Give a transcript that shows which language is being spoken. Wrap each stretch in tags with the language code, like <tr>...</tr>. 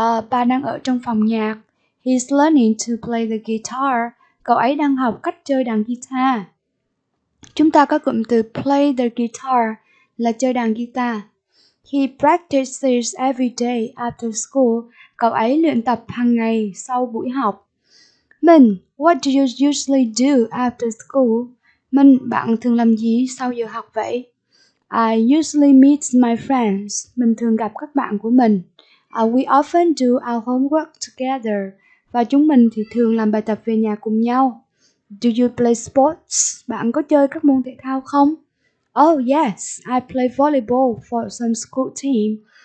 <vi>Ba đang ở trong phòng nhạc.</vi> <en>He's learning to play the guitar.</en> <vi>Cậu ấy đang học cách chơi đàn guitar. Chúng ta có cụm từ</vi> <en>play the guitar</en> <vi>là chơi đàn guitar.</vi> <en>He practices every day after school.</en> <vi>Cậu ấy luyện tập hàng ngày sau buổi học.</vi> <en>Mình, what do you usually do after school?</en> <vi>Mình, bạn thường làm gì sau giờ học vậy?</vi> <en>I usually meet my friends.</en> <vi>Mình thường gặp các bạn của mình.</vi> <en>We often do our homework together.</en> <vi>Và chúng mình thì thường làm bài tập về nhà cùng nhau.</vi> <en>Do you play sports?</en> <vi>Bạn có chơi các môn thể thao không?</vi> <en>Oh yes, I play volleyball for some school team.</en>